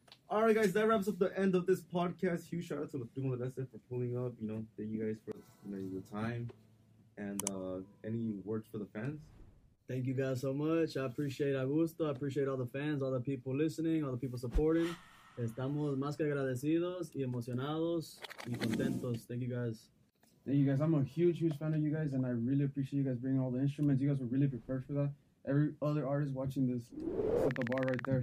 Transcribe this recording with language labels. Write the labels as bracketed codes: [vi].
[en] Alright guys, that wraps up the end of this podcast. Huge shout out to the Primo de Leste for pulling up. You know, thank you guys for, you know, your time. And any words for the fans? Thank you guys so much. I appreciate Augusto. I appreciate all the fans, all the people listening, all the people supporting. [es] Estamos más que agradecidos y emocionados y contentos. [en] Thank you guys. Thank you guys. I'm a huge, huge fan of you guys, and I really appreciate you guys bringing all the instruments. You guys were really prepared for that. Every other artist watching this set the bar right there.